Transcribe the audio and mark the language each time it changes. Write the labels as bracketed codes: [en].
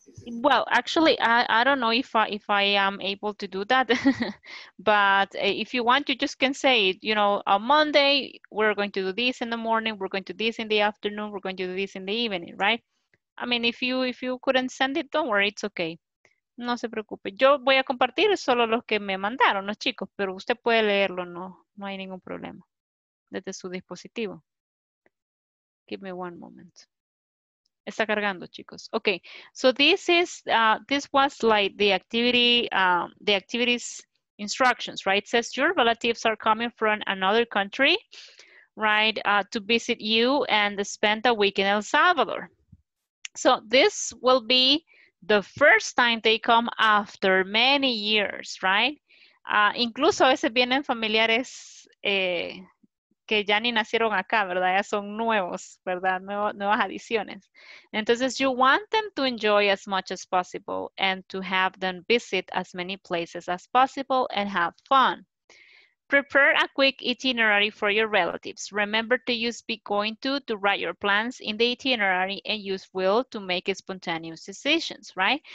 [en] Well, actually, I don't know if I am able to do that, but if you want, you just can say, you know, on Monday, we're going to do this in the morning, we're going to do this in the afternoon, we're going to do this in the evening, right? I mean, if you couldn't send it, don't worry, it's okay. [es] No se preocupe. Yo voy a compartir solo los que me mandaron, los chicos, pero usted puede leerlo, no hay ningún problema, desde su dispositivo. [en] Give me one moment. [es] Está cargando, chicos. [en] Okay, so this is this was like the activities instructions, right? It says your relatives are coming from another country, right, to visit you and spend a week in El Salvador. So this will be the first time they come after many years, right? [es] Incluso a veces vienen familiares que ya ni nacieron acá, ¿verdad? Ya son nuevos, ¿verdad? Nuevas adiciones. Entonces, [en] you want them to enjoy as much as possible and to have them visit as many places as possible and have fun. Prepare a quick itinerary for your relatives. Remember to use be going to write your plans in the itinerary and use will to make spontaneous decisions, right?